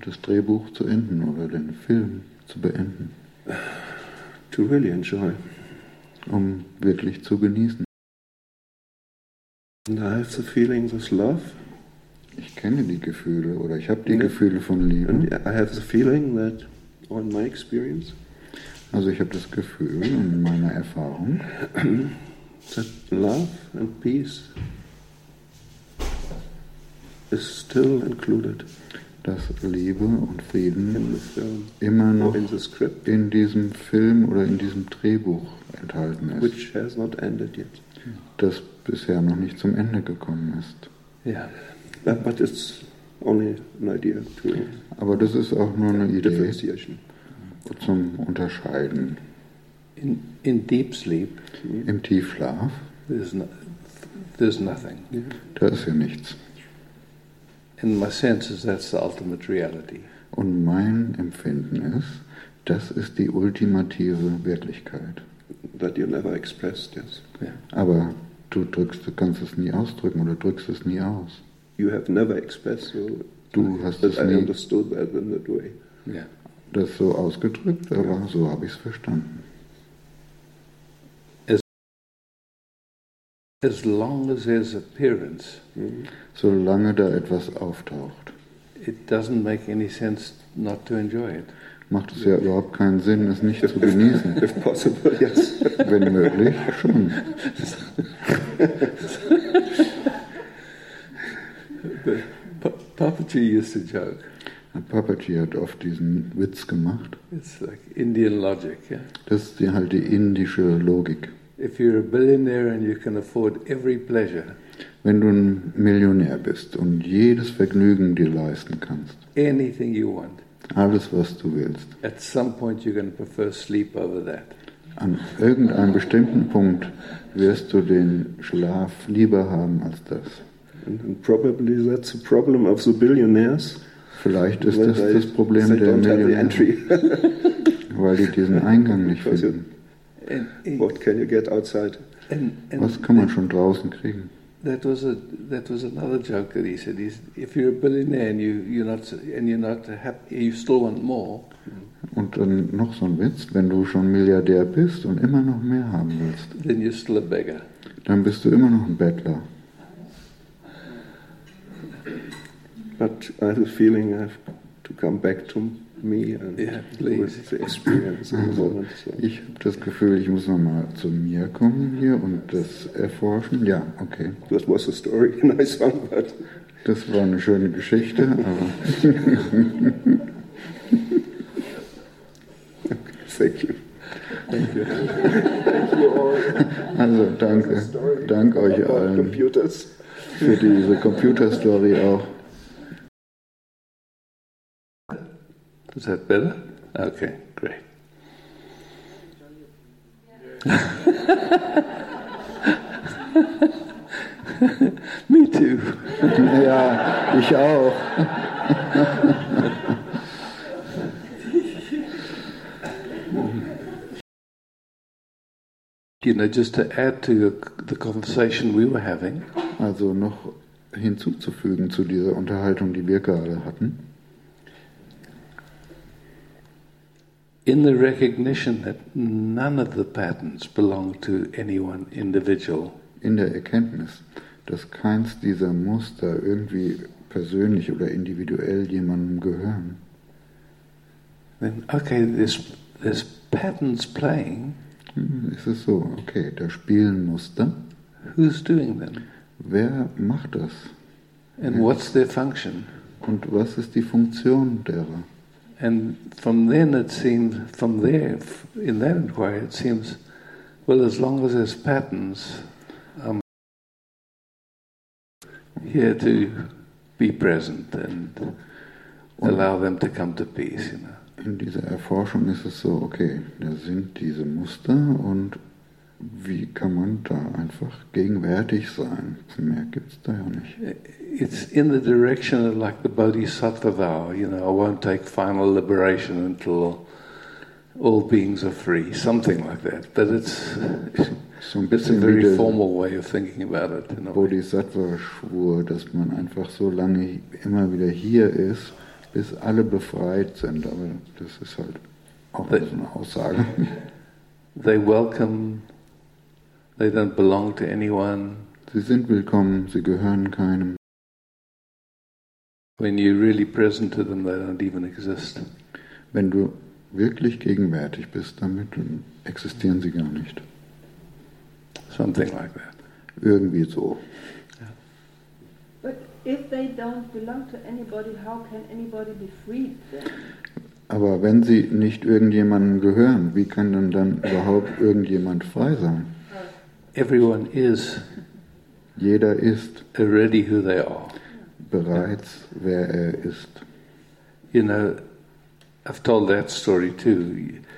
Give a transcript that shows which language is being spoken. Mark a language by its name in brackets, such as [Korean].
[German] Das Drehbuch zu enden oder den Film zu beenden. [English] To really enjoy. [German] Um wirklich zu genießen. [English] And I have the feeling of love. [German] Ich kenne die Gefühle oder ich habe die Gefühle von Liebe. [English] And I have the feeling that on my experience. [German] Also ich habe das Gefühl in meiner Erfahrung. [English] That love and peace is still included. [German] Dass Liebe und Frieden [English] in the film, [German] immer noch [English] in, the script, [German] in diesem Film oder in diesem Drehbuch enthalten ist. [English] Which has not ended yet. [German] Das bisher noch nicht zum Ende gekommen ist. [English] Yeah. But it's only an idea to. [German] Aber das ist auch nur eine Idee zum Unterscheiden. [English] In deep sleep, [German] im Tiefschlaf, [English] there's nothing. [German] Da ist ja nichts. [English] In my sense is that's the ultimate reality. [German] Und mein Empfinden ist, das ist die ultimative Wirklichkeit. [English] that you never expressed, yes. Yeah. [German] Aber du drückst, du kannst es nie ausdrücken oder drückst es nie aus. [English] You have never expressed so. [German] Du hast es [English] nie. I understood that in that way. Yeah. [German] Das so ausgedrückt, aber yeah, so habe ich es verstanden. [English] As long as there's appearance, [German] solange da etwas auftaucht, [English] it doesn't make any sense not to enjoy it. [German] Macht es ja überhaupt keinen Sinn, es nicht zu genießen. [English] If possible, yes. [German] Wenn möglich, schon. [English] Papaji used to joke. [German] Und Papaji hat oft diesen Witz gemacht. [English] It's like Indian logic, yeah? [German] Das ist die, halt die indische Logik. [English] If you're a billionaire and you can afford every pleasure, [German] wenn du ein Millionär bist und jedes Vergnügen dir leisten kannst, [English] anything you want, [German] alles was du willst, [English] at some point you're going to prefer sleep over that. [German] An irgendeinem bestimmten Punkt wirst du den Schlaf lieber haben als das. [English] And probably that's a problem of the billionaires. [German] Vielleicht ist das das Problem der Millionäre, weil die diesen Eingang nicht finden. [English] What can you get outside? [German] Was kann man schon draußen kriegen? [English] That was another joke that he said. He's, if you're a billionaire and you're not happy, you still want more. [German] Und dann noch so ein Witz: Wenn du schon Milliardär bist und immer noch mehr haben willst, [English] then you're still a beggar. [German] Dann bist du immer noch ein Bettler. [English] But I have a feeling I have to come back to me and with the experience. [German] Also, ich habe das Gefühl, ich muss nochmal zu mir kommen hier und das erforschen. Ja, okay. [English] That was a story, a nice one, but. [German] Das war eine schöne Geschichte, aber. [English] Okay, thank you. Thank you. Thank you all. [German] Also, danke. Dank euch allen. [English] Computers. [German] Für diese Computer-Story auch. [English] Is that better? Okay, great. Me too. [German] Ja, ich auch. [English] You know, just to add to the conversation we were having. [German] Also noch hinzuzufügen zu dieser Unterhaltung, die wir gerade hatten. [English] In the recognition that none of the patterns belong to any one individual. [German] In der Erkenntnis, dass keins dieser Muster irgendwie persönlich oder individuell jemandem gehören. [English] Then, okay, there's patterns playing. [German] Ist es so, okay, da spielen Muster. [English] Who's doing them? [German] Wer macht das? [English] And jetzt, what's their function? [German] Und was ist die Funktion derer? [English] And from then it seems, from there, in that inquiry, it seems, well, as long as there's patterns, I'm here to be present and allow them to come to peace, you know. [German] In dieser Erforschung ist es so, okay, da sind diese Muster und wie kann man da einfach gegenwärtig sein? Mehr gibt's da ja nicht. [English] It's in the direction of like the Bodhisattva vow, you know, I won't take final liberation until all beings are free, something like that. But it's a very formal way of thinking about it. [German] Bodhisattva schwur, dass man einfach so lange immer wieder hier ist, bis alle befreit sind. Aber das ist halt auch so eine Aussage. [English] They welcome. They don't belong to anyone. [German] Sie sind willkommen, sie gehören keinem. [English] When you really present to them, they don't even exist. [German] Wenn du wirklich gegenwärtig bist damit, dann existieren sie gar nicht. [English] Something like that. [German] Irgendwie so. Yeah. [English] But if they don't belong to anybody, how can anybody be freed then? [German] Aber wenn sie nicht irgendjemandem gehören, wie kann denn dann überhaupt irgendjemand frei sein? [English] Everyone is. [German] Jeder ist [English] already who they are. [German] Bereits wer er ist. [English] You know, I've told that story too.